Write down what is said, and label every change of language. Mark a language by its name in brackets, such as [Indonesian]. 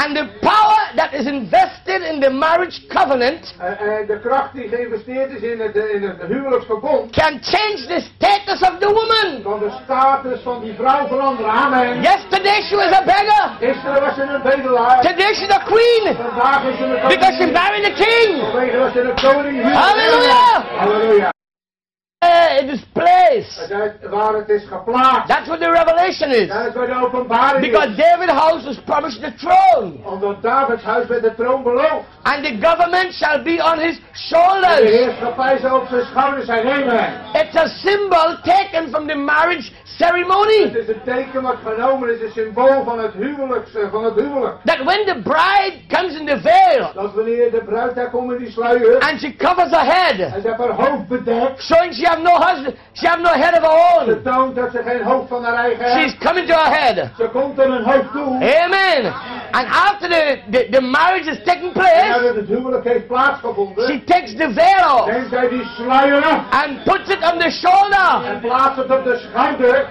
[English] And the power that is invested in the marriage covenant. [Dutch] De kracht die geïnvesteerd is in het huwelijksverbond. [English] Can change the status of the woman. [Dutch] Kan de status van die vrouw veranderen. Amen. [English] Yesterday she was a beggar. [Dutch] Gisteren was ze een bedelaar. [English] Today she's a queen. [Dutch] Vandaag is ze een koning. [English] Because she married a king. [Dutch] Vandaag was ze een koning. Hallelujah. Hallelujah. [English] In this place. [Dutch] Waar het is geplaatst. [English] That's what the revelation is. [Dutch] Dat is waar de openbaring is. [English] Because David's house was promised the throne. [Dutch] Omdat David's huis werd de troon beloofd. [English] And the government shall be on his shoulders. [Dutch] De heerschappij zal op zijn schouders zijn. Amen. [English] It's a symbol taken from the marriage ceremony. [Dutch] Het is een teken wat genomen is, een symbool van het huwelijk. [English] That when the bride comes in the veil. [Dutch] Dat wanneer de bruid daar komt in die sluier. [English] And she covers her head. [Dutch] En ze heeft haar hoofd bedekt. [English] Showing she have no husband. She have no head of her own. [Dutch] Ze toont dat ze geen hoofd van haar eigen. [English] She's coming to her head. [Dutch] Ze komt aan een hoofd toe. Amen. [English] And after the marriage is taking place. [Dutch] Nadat het huwelijk heeft plaatsgevonden. [English] She takes the veil off. [Dutch] Neemt zij die sluier af. [English] And puts it on the shoulder. [Dutch] En plaatst het op de schouder.